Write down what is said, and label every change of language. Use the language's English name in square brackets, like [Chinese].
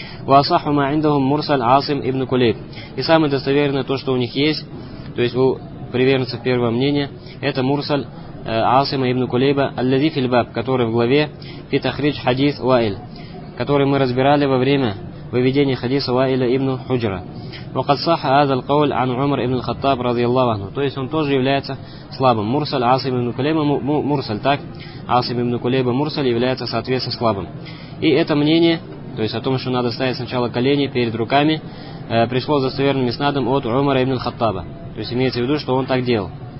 [Arabic] Васаху ма индахум мурсаль Асим ибн Кулейб. [Russian] И самое достоверное то, что у них есть, то есть у приверженцев первого мнения, это мурсаль Асима ибн Кулейба, [Arabic] аллази фи аль-баб, [Russian] который в главе Фитахридж хадис Ваиль, который мы разбирали во время выведения хадиса Ваиля ибн Худжра. [Arabic] وقد صح هذا القول عن عمر ابن الخطاب رضي الله عنه. [Russian] То есть он тоже является слабым. Мурсал Асим ибн Кулейба мурсал, так? Асим ибн Кулейба мурсал является соответственно слабым. И это мнение, то есть о том, что надо ставить сначала колени перед руками, пришло с достоверным иснадом от Умара ибн Хаттаба. То есть имеется в виду, что он так делал.